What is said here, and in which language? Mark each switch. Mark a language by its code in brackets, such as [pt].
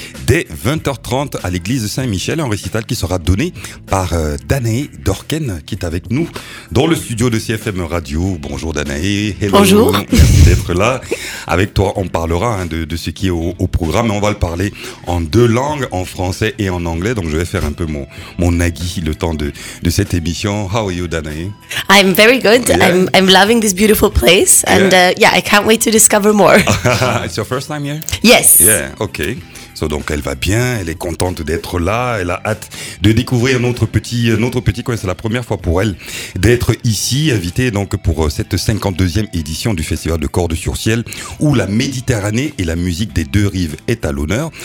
[fr] dès 20h30 à l'église Saint-Michel, un récital qui sera donné par Danae Dorken, qui est avec nous dans le studio de CFM Radio. Bonjour Danae. [en] Hello. Bonjour. [fr] Merci d'être là. Avec toi, on parlera de ce qui est au programme. On va le parler en deux langues, en français et en anglais. Donc je vais faire un peu mon nagui le temps de cette émission. [en] How are you, Danae? I'm very good. Yeah. I'm loving this beautiful place. And yeah, I can't wait to discover more. It's your first time here? Yes. Yeah, okay. [fr] Donc elle va bien, elle est contente d'être là, elle a hâte de découvrir notre petit coin. C'est la première fois pour elle d'être ici, invitée donc pour cette 52e édition du Festival de Cordes sur Ciel, où la Méditerranée et la musique des deux rives est à l'honneur.